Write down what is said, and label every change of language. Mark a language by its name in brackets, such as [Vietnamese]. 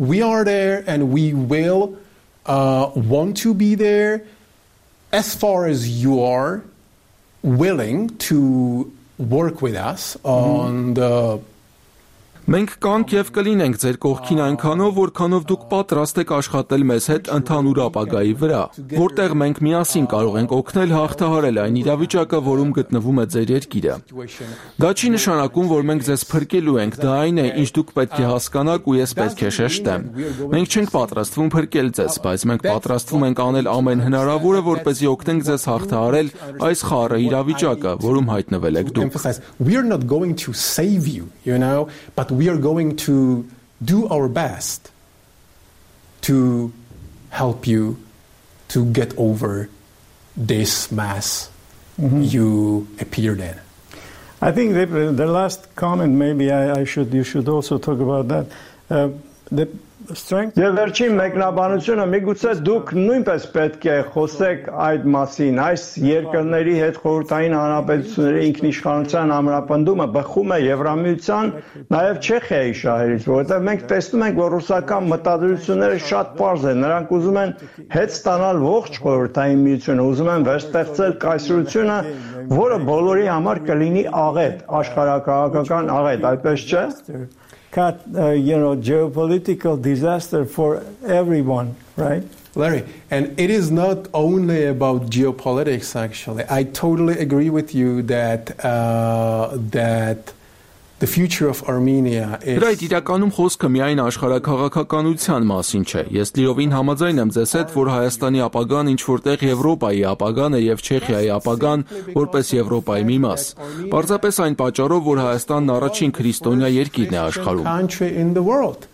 [English] we are there, and we will want to be there as far as you are willing to work with us on the. [Armenian] Մենք կանք եւ կլինենք ձեր կողքին այնքանով, որքանով դուք պատրաստ եք աշխատել մեզ հետ ընդհանուր ապագայի վրա, որտեղ մենք միասին կարող ենք օգնել հաղթահարել այն իրավիճակը, որում գտնվում է ձեր երկիրը։ Դա չի նշանակում, որ մենք ձեզ փրկելու ենք, դա այն է, ինչ դուք պետք է հասկանաք ու ես պետք է շեշտեմ։ Մենք չենք պատրաստվում փրկել ձեզ, բայց մենք պատրաստվում ենք անել ամեն հնարավորը, որպեսզի օգնենք ձեզ հաղթահարել այս խառը իրավիճակը, որում հայտնվել եք դուք։ [English] But we are going to do our best to help you to get over this mess mm-hmm. you appeared in. I think the last comment, maybe you should also talk about that. The strength. [Armenian] Եվ վերջին մեկնաբանությունը, միգուցե դուք նույնպես պետք է խոսեք այդ մասին, այս երկրների հետ խորհրդային հանրապետությունների ինքնիշխանության համապնդումը բխում է Եվրամիության, նաև Չեխիայի շահերից, որովհետև մենք տեսնում ենք, որ ռուսական մտադրությունները շատ պարզ են, նրանք ուզում են հետ ստանալ ողջ խորհրդային միությունը, ուզում են վերստեղծել կայսրությունը, որը բոլորի համար կլինի աղետ, աշխարհակահաղական աղետ, այդպես չէ՞։ [English] Cut, you know, geopolitical disaster for everyone, right? Larry, and it is not only about geopolitics, actually. I totally agree with you that that the future of Armenia is... [Armenian] Հրայ դիտականում խոսքը միայն աշխարհակաղաքականության մասին չէ։ Ես լիովին համաձայն եմ ձեզ հետ, որ Հայաստանի ապագան ինչ-որտեղ Եվրոպայի ապագան է և Չեխիայի ապագան որպես Եվրոպայի մի մաս։ Պարզապես այն պատճառով, որ Հայաստանն առաջին քրիստոնյա երկիրն է աշխարում։